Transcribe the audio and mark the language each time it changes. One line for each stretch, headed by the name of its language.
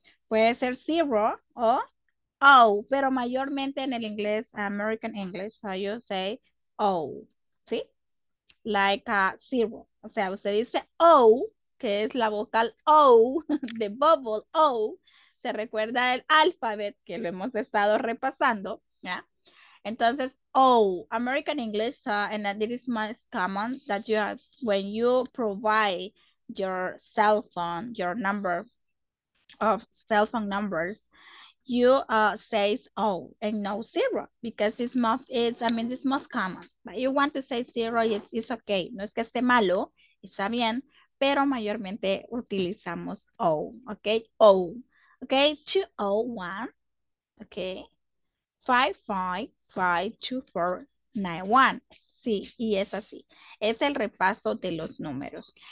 Spanish: Puede ser zero o O, pero mayormente en el inglés, American English, so you say O, ¿sí? Like zero. O sea, usted dice O, que es la vocal O, the bubble O. Se recuerda el alphabet que lo hemos estado repasando, ¿ya?
English: Entonces, oh, American English, and it is most common that you have when you provide your cell phone, your number of cell phone numbers, you say oh and no zero, because it's most common. But you want to say zero, it's okay.
Spanish: No es que esté malo, está bien, pero mayormente utilizamos oh, okay?
English: Oh, okay, 201, okay, 5552491.
Spanish: Sí, y es así. Es el repaso de los números.